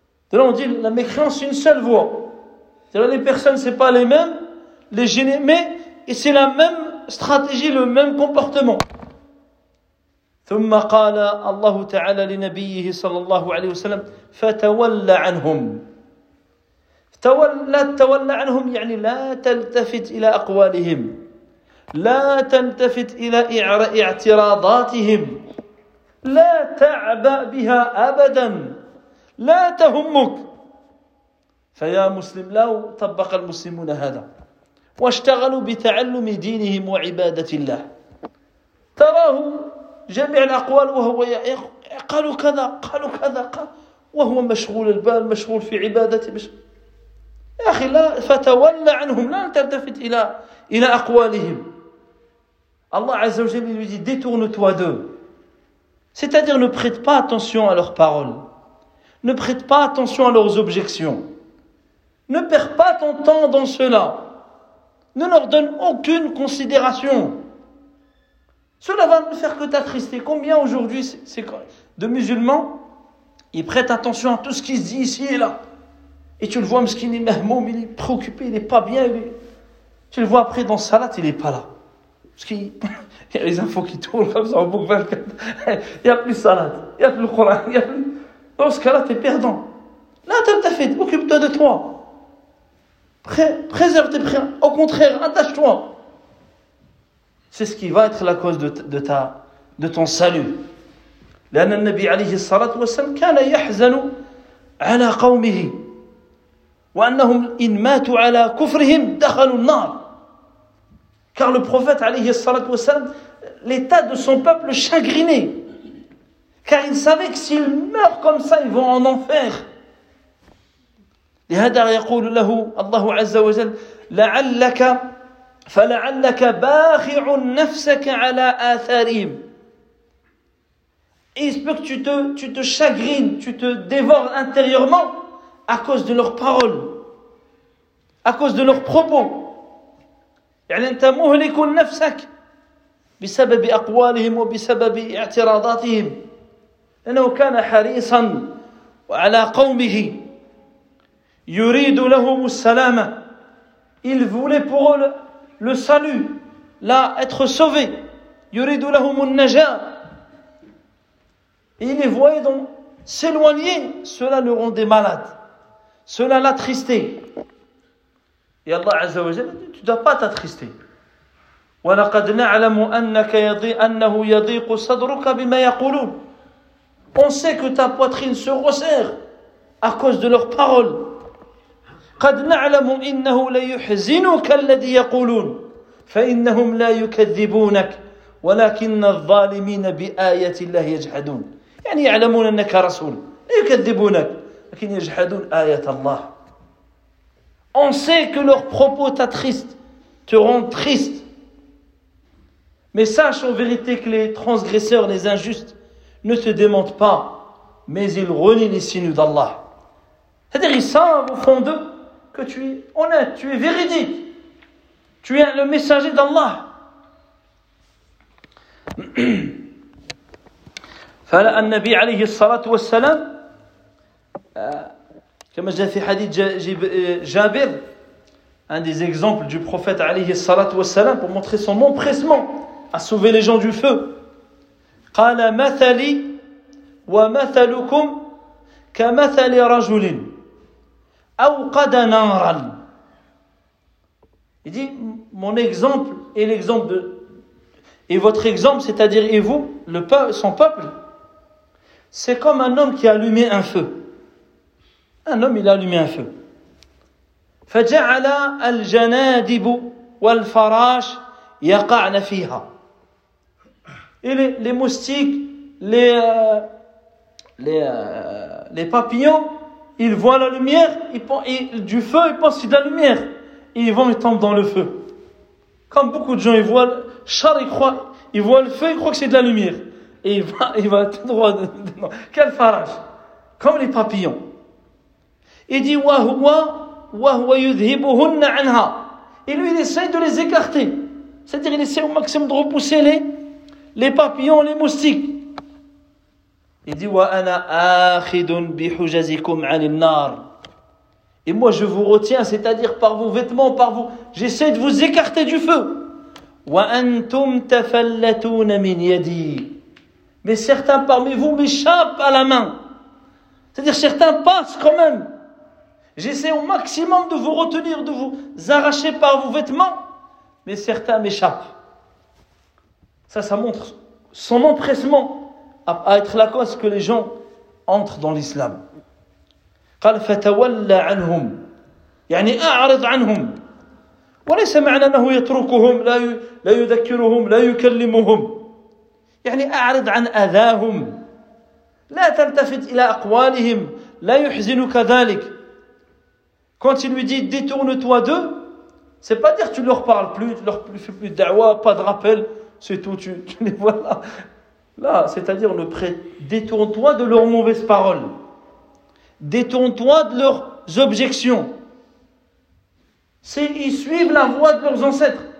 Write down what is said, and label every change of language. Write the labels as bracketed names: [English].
[French] De là, on dit la mécréance, c'est une seule voie. C'est-à-dire, les personnes, ce n'est pas les mêmes, les génies, mais c'est la même stratégie, le même comportement. [Arabic] ثم قال الله تعالى لنبيه صلى الله عليه وسلم فتولى عنهم تولى عنهم يعني لا تلتفت إلى أقوالهم لا تلتفت إلى اعتراضاتهم لا تعبأ بها أبدا لا تهمك فيا مسلم لو طبق المسلمون هذا واشتغلوا بتعلم دينهم وعبادة الله تراه جميع الأقوال وهو قالوا كذا قالوا كذا وهو مشغول البال مشغول في عبادته يا أخي لا فتولى عنهم لا تلتفت إلى أقوالهم الله عز وجل يقول لي [French] détourne-toi d'eux c'est-à-dire ne prête pas attention à leurs paroles ne prête pas attention à leurs objections ne perds pas ton temps dans cela ne leur donne aucune considération. Cela va ne faire que t'attrister. Combien aujourd'hui c'est de musulmans, ils prêtent attention à tout ce qui se dit ici et là. Et tu le vois, parce qu'il est mahmoum, il est préoccupé, il n'est pas bien. Tu le vois après dans Salat, il n'est pas là. Parce qu'il y a les infos qui tournent comme ça en boucle 24. Il n'y a plus Salat, il n'y a plus le Coran. Dans ce cas-là, tu es perdant. Là, tu as fait, occupe-toi de toi. Préserve tes prières. Au contraire, attache-toi. C'est ce qui va être la cause de ton salut. [Arabic] لأن النبي عليه الصلاة والسلام كان يحزن على قومه وأنهم إن ماتوا على كفرهم دخلوا النار. [French] Car le prophète [Arabic] عليه الصلاة والسلام [French] l'état de son peuple chagriné. Car il savait que s'ils meurent comme ça, ils vont en enfer. [Arabic] لهذا يقول له الله عز وجل لعلك فلعلك باخع نفسك على آثارهم. [French] Il se peut que tu te chagrines, tu te dévores intérieurement à cause de leurs paroles, à cause de leurs propos. [Arabic] يعني أنت مهلك نفسك بسبب أقوالهم وبسبب اعتراضاتهم. لأنه كان حريصا على قومه يريد لهم السلامة. [French] Il voulait pour eux le salut, là, être sauvé. [Arabic] يريد لهم النجاة. [French] Et les voyait donc s'éloigner, cela le rendait malade. Cela l'attristait. Et Allah Azza wa Jalla dit, tu ne dois pas t'attrister. [Arabic] وَلَقَدْ نَعْلَمُ أَنَّهُ يَضِيقُ صَدْرُكَ بِمَا يَقُولُونَ. [French] On sait que ta poitrine se resserre à cause de leurs paroles. [Arabic] قَدْ نَعْلَمُ إِنَّهُ لَيُحْزِنُكَ الَّذِي يَقُولُونَ فَإِنَّهُمْ لَا يُكَذِّبُونَكَ وَلَكِنَّ الظَّالِمِينَ بِآيَةِ اللَّهِ يَجْحَدُونَ. يعني يعلمون أنك رسول لا يكذبونك لكن يجحدون آية الله. [French] On sait que leurs propos t'attristent, te rendent triste. Mais sache en vérité que les transgresseurs, les injustes ne se démentent pas, mais ils renient les signes d'Allah. C'est-à-dire ils savent au fond d'eux que tu es honnête, tu es véridique, tu es le messager d'Allah. [Arabic] فلأن النبي عليه الصلاة والسلام كما جاء في حديث جابر [French] un des exemples du prophète [Arabic] عليه الصلاة والسلام [French] pour montrer son empressement à sauver les gens du feu. [Arabic] قال مثلي ومثلكم كمثل رجل أوقد نارا. [French] Il dit mon exemple est l'exemple de et votre exemple c'est-à-dire et vous le peuple, son peuple. C'est comme un homme qui a allumé un feu. Un homme, il a allumé un feu. [Arabic] فَجَعَلَا الْجَنَادِبُ وَالْفَرَاشِ يَقَعْنَ فِيهَا. [French] Et les moustiques, les papillons, ils voient la lumière, du feu, ils pensent qu'il y a de la lumière. Et ils vont et tombent dans le feu. Comme beaucoup de gens, ils voient char, ils voient le feu, ils croient que c'est de la lumière. Et il va tout droit dedans. Quel farage! Comme les papillons. Il dit, [Arabic] وهو يذهبهن عنها. [French] Il lui essaie de les écarter. C'est-à-dire, il essaie au maximum de repousser les papillons, les moustiques. Il dit, [Arabic] وَأَنَا آخِذٌ بِحُجَزِكُمْ عَنِ النَّارِ. [French] Et moi, je vous retiens, c'est-à-dire par vos vêtements, par vous, j'essaie de vous écarter du feu. [Arabic] وَأَنْتُمْ تَفَلَّتُونَ مِنْ يَدِي. [French] Mais certains parmi vous m'échappent à la main. C'est-à-dire, certains passent quand même. J'essaie au maximum de vous retenir, de vous arracher par vos vêtements, mais certains m'échappent. Ça montre son empressement à être la cause que les gens entrent dans l'islam. [Arabic] قال فتولى عنهم يعني اعرض عنهم وليس معنى انه يتركهم لا يذكرهم لا يكلمهم يعني اعرض عن اذاهم لا تلتفت الى اقوالهم لا يحزنك ذلك. [French] Quand il lui dit détourne-toi d'eux, c'est pas dire tu leur parles plus, tu leur fais plus de dawa, pas de rappel, c'est tout, tu les vois là. Là, c'est-à-dire détourne-toi de leurs mauvaises paroles. Détourne-toi de leurs objections. C'est, ils suivent la voie de leurs ancêtres.